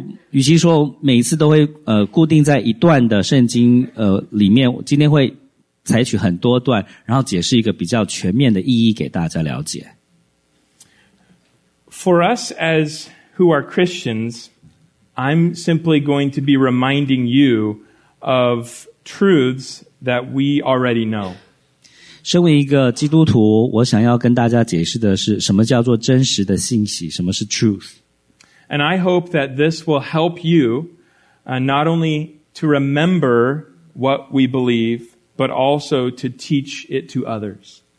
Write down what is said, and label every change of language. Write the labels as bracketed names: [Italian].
[Chinese] 与其说每一次都会固定在一段的圣经里面，今天会采取很多段，然后解释一个比较全面的意义给大家了解。 [English] For us as who are Christians, I'm simply going to be reminding you of truths that we already know. [Chinese] 身为一个基督徒，我想要跟大家解释的是什么叫做真实的信息，什么是truth。 [English] And I hope that this will help you not only to remember what we believe, but also to teach it to others.